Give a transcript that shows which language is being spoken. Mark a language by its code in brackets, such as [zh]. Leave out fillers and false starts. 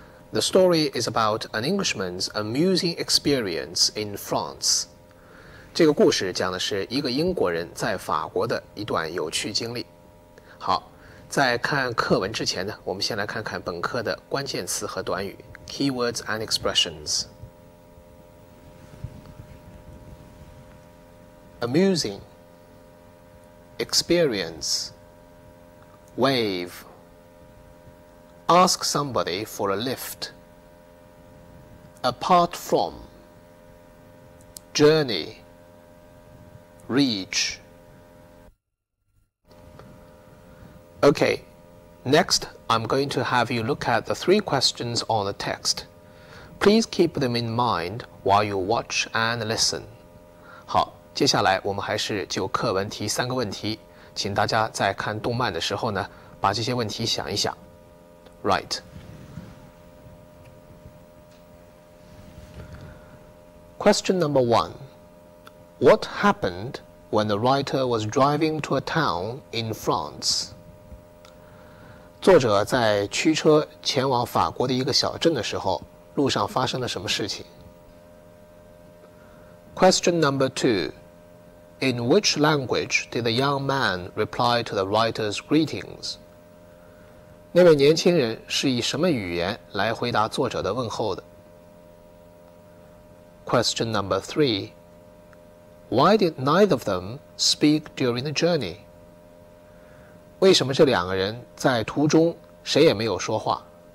[en] The story is about an Englishman's amusing experience in France. [zh] 这个故事讲的是一个英国人在法国的一段有趣经历。好，在看课文之前呢，我们先来看看本课的关键词和短语 [en] Keywords and expressions. Amusing Experience Wave Ask somebody for a lift Apart from Journey Reach OkayNext, I'm going to have you look at the three questions on the text. Please keep them in mind while you watch and listen. [zh] 好，接下来我们还是就课文提三个问题，请大家在看动漫的时候呢，把这些问题想一想。 [en] Right. Question number one. What happened when the writer was driving to a town in France? [zh] 作者在驱车前往法国的一个小镇的时候，路上发生了什么事情 [en] ？Question number two. In which language did the young man reply to the writer's greetings? [zh] 那位年轻人是以什么语言来回答作者的问候的 [en] ？Question number three. Why did neither of them speak during the journey? [zh] 为什么这两个人在途中谁也没有说话